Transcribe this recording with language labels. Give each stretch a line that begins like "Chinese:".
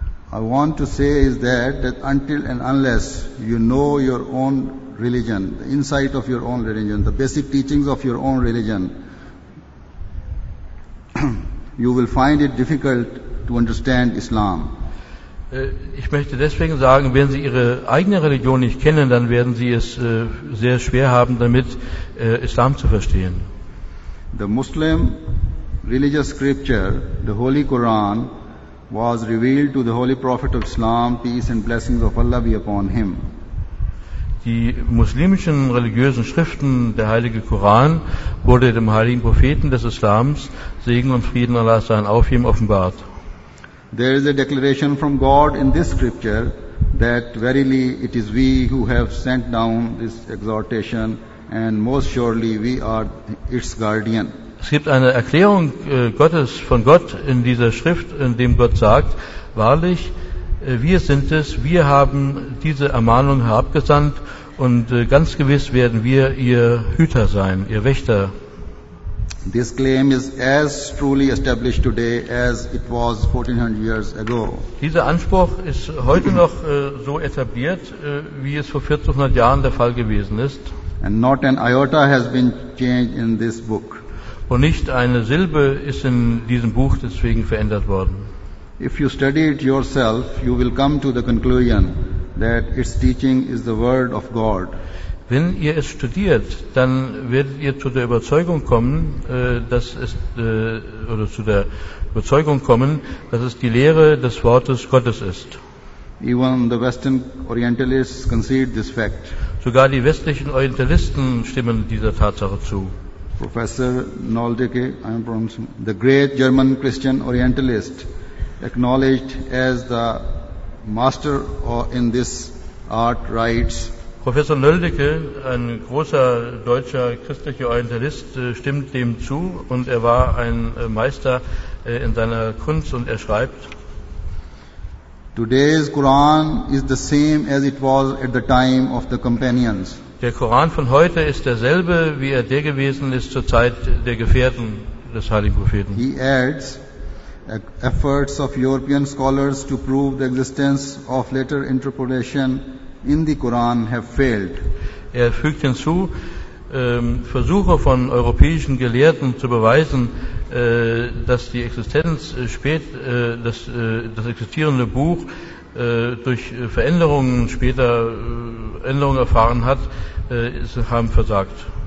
English: I want to say is that until and unless you know your own religion, the insight of your own religion, the basic teachings of your own religion, you will find it difficult to understand Islam.
German: Ich möchte deswegen sagen, wenn Sie Ihre eigene Religion nicht kennen, dann werden Sie es sehr schwer haben, damit Islam zu verstehen.
English: The Muslim religious scripture, the Holy Quran, was revealed to the Holy Prophet of Islam, peace and blessings of Allah be upon him.
German: Die muslimischen religiösen Schriften, der Heilige Koran, wurde dem Heiligen Propheten des Islams, Segen und Frieden Allah sein auf ihm, offenbart.
English: There is a declaration from God in this scripture that verily it is we who have sent down this exhortation and most surely we are its guardian.
German: Es gibt eine Erklärung Gottes von Gott in dieser Schrift, in dem Gott sagt, wahrlich, wir sind es, wir haben diese Ermahnung herabgesandt und ganz gewiss werden wir ihr Hüter sein, ihr Wächter.
English: This claim is as truly established today as it was 1400 years ago.
German: Dieser Anspruch ist heute noch so etabliert, wie es vor 1400 Jahren der Fall gewesen ist.
English: And not an iota has been changed in this book.
German: Und nicht eine Silbe ist in diesem Buch deswegen verändert worden.
English: If you study it yourself, you will come to the conclusion that its teaching is the word of God.
German: Wenn ihr es studiert, dann werdet ihr zu der Überzeugung kommen, dass es oder zu der Überzeugung kommen, dass es die Lehre des Wortes Gottes ist.
English: Even the Western Orientalists concede this fact.
German: Sogar die westlichen Orientalisten stimmen dieser Tatsache zu.
English: Professor Noldeke, I'm pronouncing, the great German Christian Orientalist, acknowledged as the master in this art, writes.
German: Professor Noldeke, ein großer deutscher christlicher Orientalist, stimmt dem zu und er war ein Meister in seiner Kunst und er schreibt:
English: Today's Quran is the same as it was at the time of the companions.
German: Der Koran von heute ist derselbe, wie er der gewesen ist zur Zeit der Gefährten des Heiligen Propheten.
English: He adds, efforts of European scholars to prove the existence of later interpolation in the Quran have failed.
German: Er fügt hinzu, Versuche von europäischen Gelehrten zu beweisen, dass die Existenz das existierende Buch durch Veränderungen später Änderungen erfahren hat, haben versagt.